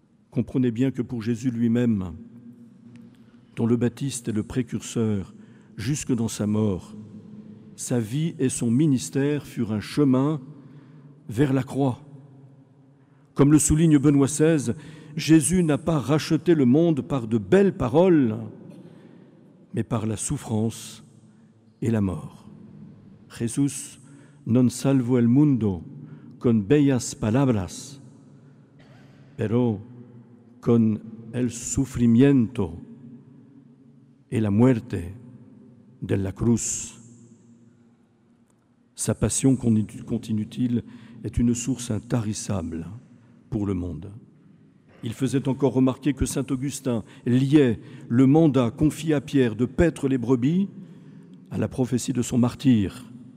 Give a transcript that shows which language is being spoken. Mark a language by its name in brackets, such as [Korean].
[French] Comprenez bien que pour Jésus lui-même, dont le Baptiste est le précurseur jusque dans sa mort, sa vie et son ministère furent un chemin vers la croix. Comme le souligne Benoît XVI, Jésus n'a pas racheté le monde par de belles paroles, mais par la souffrance et la mort. [Spanish] Jésus non salvó el mundo con bellas palabras, pero con el sufrimiento y la muerte de la cruz. [French] Sa passion, continue-t-il, est une source intarissable pour le monde. Il faisait encore remarquer que saint Augustin liait le mandat confié à Pierre de paître les brebis à la prophétie de son martyr.